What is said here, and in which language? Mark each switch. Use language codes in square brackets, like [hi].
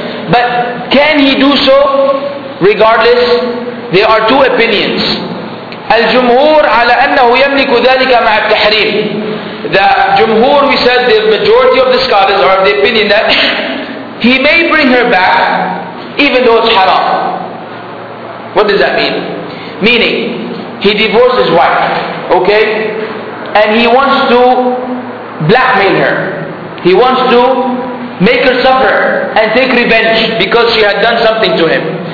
[en] But can he do so? Regardless, there are two opinions. [ar] الجمهور على أنه يملك ذلك مع التحريم. [en] The جمهور, we said, the majority of the scholars are of the opinion that he may bring her back even though it's haram. What does that mean? Meaning, he divorced his wife, okay? And he wants to blackmail her. He wants to make her suffer and take revenge because she had done something to him.